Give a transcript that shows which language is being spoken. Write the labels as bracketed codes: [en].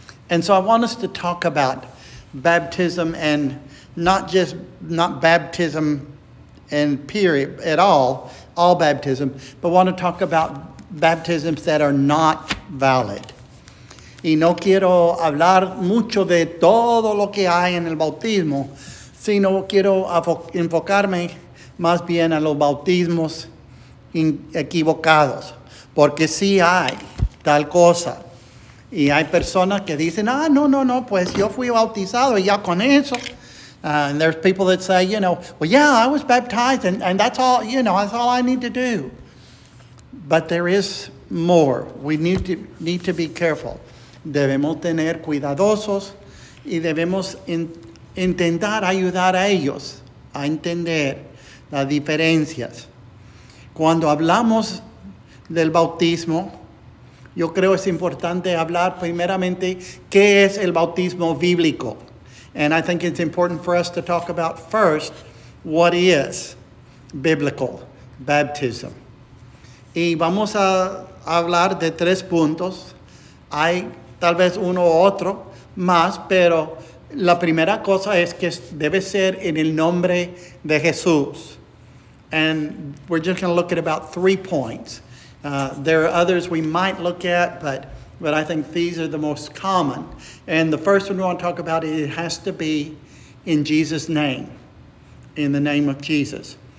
[en] And so I want us to talk about baptism, and not baptism and period at all baptism, but want to talk about baptisms that are not valid. [es] Y no quiero hablar mucho de todo lo que hay en el bautismo, sino quiero enfocarme más bien a los bautismos equivocados, porque sí hay tal cosa. Y hay personas que dicen, no, pues yo fui bautizado y ya con eso. [en] And there's people that say, well, yeah, I was baptized and that's all, that's all I need to do. But there is more. We need to be careful. [es] Debemos tener cuidadosos y debemos intentar ayudar a ellos a entender las diferencias. Cuando hablamos del bautismo, yo creo es importante hablar primeramente qué es el bautismo bíblico. [en] And I think it's important for us to talk about first what is biblical baptism. [es] Y vamos a hablar de tres puntos. Hay tal vez uno u otro más, pero la primera cosa es que debe ser en el nombre de Jesús. [en] And we're just going to look at about 3 points. There are others we might look at, but I think these are the most common. And the first one we want to talk about, it has to be in Jesus' name, in the name of Jesus.